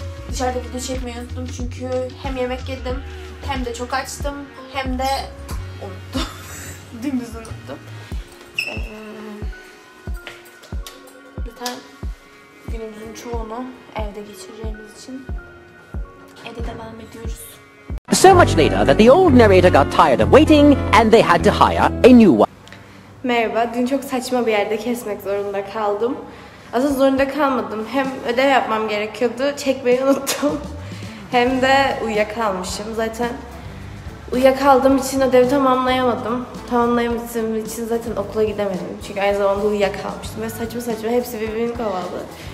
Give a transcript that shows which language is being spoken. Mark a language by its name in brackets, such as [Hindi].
[Turkish] Dışarıda video çekmeyi unuttum çünkü hem yemek yedim, hem de çok açtım, hem de unuttum. Dümdüz unuttum. Lütfen. Günümüzün çoğunu evde geçireceğimiz için evde devam ediyoruz. [English] So much later that the old narrator got tired of waiting and they had to hire a new one. [Turkish] Merhaba, dün çok saçma bir yerde kesmek zorunda kaldım. Aslında zorunda kalmadım. Hem ödev yapmam gerekiyordu, çekmeyi unuttum. Hem de uyuyakalmışım. Zaten uyuyakaldığım için ödevi tamamlayamadım. Tamamlayamadığım için zaten okula gidemedim. Çünkü aynı zamanda uyuyakalmıştım ve saçma saçma hepsi birbirini kovaladı.